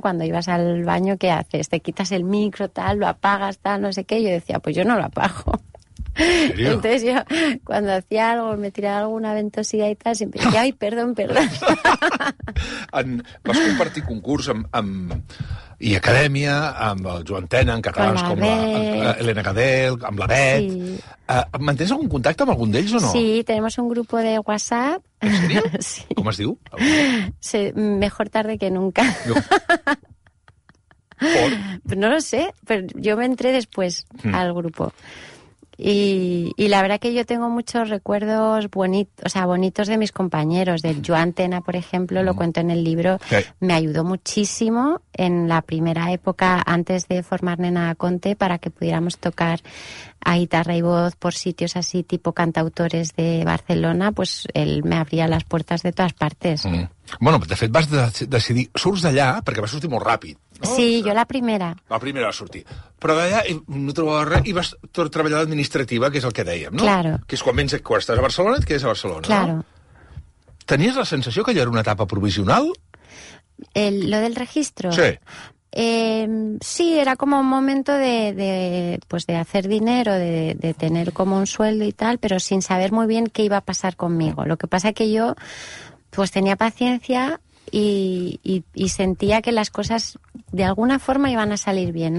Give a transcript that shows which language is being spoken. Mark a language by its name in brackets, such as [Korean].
[Spanish] Cuando ibas al baño, ¿qué haces? Te quitas el micro, tal, lo apagas, tal, no sé qué. Yo decía, pues yo no lo apago. ¿En serio? Entonces yo, cuando hacía algo, me tiraba alguna ventosidad y tal, siempre decía, ay, perdón, perdón. [Catalan] Vas compartir concurs amb i acadèmia, amb el Joan Tena, en catalans, com l'Helena Gadel, amb la Bet... Sí. Mantens algun contacte amb algun d'ells o no? [Spanish] Sí, tenemos un grupo de WhatsApp. ¿En serio? Sí. [Catalan] ¿Com es diu? [Spanish] Sí, mejor tarde que nunca. No. ¿Por? No lo sé, pero yo me entré después al grupo. Y la verdad que yo tengo muchos recuerdos bonitos de mis compañeros. Del Joan Tena, por ejemplo, lo cuento en el libro. Okay. Me ayudó muchísimo en la primera época, antes de formar Nena Conte, para que pudiéramos tocar a guitarra y voz por sitios así, tipo cantautores de Barcelona. Pues él me abría las puertas de todas partes. Mm. [Catalan] Bueno, de fet, vas decidir, surts d'allà, perquè vas sortir molt ràpid. No? Sí, jo la primera. La primera va sortir. Però d'allà no trobava res i vas treballar a l'administrativa, que és el que dèiem, no? [Spanish] Claro. [Catalan] Que és quan estàs a Barcelona, et quedes a Barcelona. [Spanish] Claro. [Catalan] No? Tenies la sensació que allò era una etapa provisional? [Spanish] Lo del registro? Sí. Sí, era como un momento de hacer dinero, de tener como un sueldo y tal, pero sin saber muy bien qué iba a pasar conmigo. Lo que pasa es que yo pues tenía paciencia... Y sentía que las cosas de alguna forma iban a salir bien.